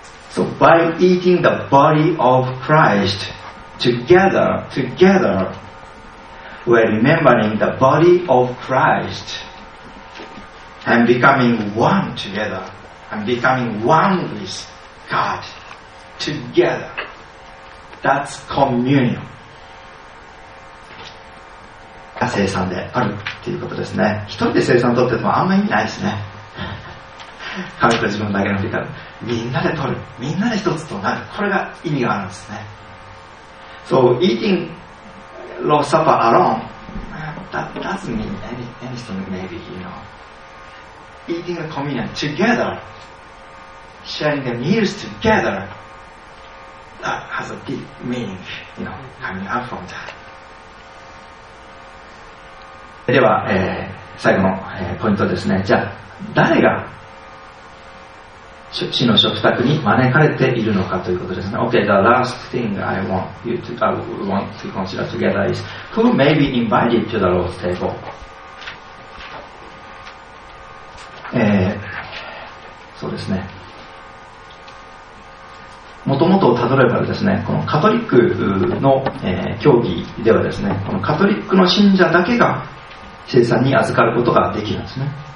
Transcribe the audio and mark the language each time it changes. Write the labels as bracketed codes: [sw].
[en] So by eating the body of Christ together, we are remembering the body of Christ and becoming one together, and becoming one with God together. That's communion. [ja] が生産であるということですね。一人で生産を取っててもあんまり意味ないですね。神と自分だけの理解、みんなで取る、みんなで一つとなる、これが意味があるんですね。 [en] So eating Lord's Supper alone that doesn't mean anything, maybe, you know. Eating the communion together, sharing the meals together, that has a deep meaning, you know, coming out from that. [ja] では、最後の、ポイントですね。じゃあ誰が主の食卓に招かれているのかということですね。 [en] Okay, the last thing I want you to, I want to consider together is who may be invited to the Lord's table、 [ja] そうですね、もともとたどればですね、このカトリックの、教義ではですね、このカトリックの信者だけが聖餐に預かることができるんですね。